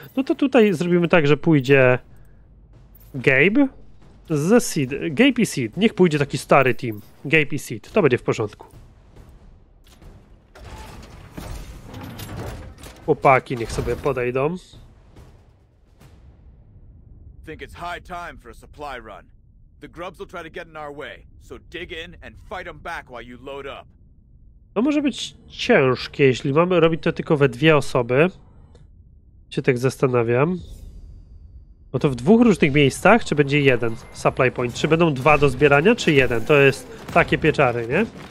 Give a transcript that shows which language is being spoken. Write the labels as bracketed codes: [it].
[pl] No to tutaj zrobimy tak, że pójdzie Gabe ze Seed. Gabe i Seed. Niech pójdzie taki stary team. Gabe i Seed. To będzie w porządku. Chłopaki niech sobie podejdą. [en] Think it's high time for a supply run. The grubs will try to get in our way, so dig in and fight them back while you load up. [pl] To może być ciężkie, jeśli mamy robić to tylko we dwie osoby. Się tak zastanawiam. Bo to w dwóch różnych miejscach, czy będzie jeden supply point? Czy będą dwa do zbierania, czy jeden? To jest takie pieczary, nie?